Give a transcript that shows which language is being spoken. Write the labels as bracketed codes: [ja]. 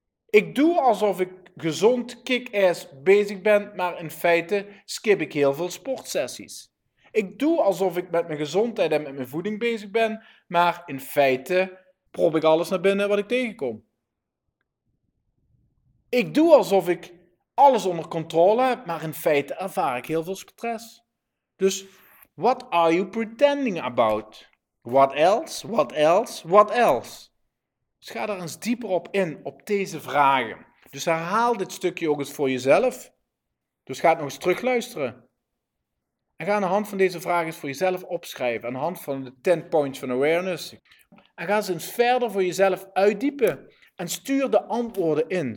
[nl] Ik doe alsof ik gezond kick-ass bezig ben, maar in feite skip ik heel veel sportsessies. Ik doe alsof ik met mijn gezondheid en met mijn voeding bezig ben, maar in feite prop ik alles naar binnen wat ik tegenkom. Ik doe alsof ik alles onder controle heb, maar in feite ervaar ik heel veel stress. [en] Dus, what are you pretending about? What else? What else? What else? [nl] Dus ga daar eens dieper op in, op deze vragen. Dus herhaal dit stukje ook eens voor jezelf. Dus ga het nog eens terugluisteren. En ga aan de hand van deze vragen eens voor jezelf opschrijven, aan de hand van de 10 points van awareness. En ga ze eens verder voor jezelf uitdiepen. En stuur de antwoorden in.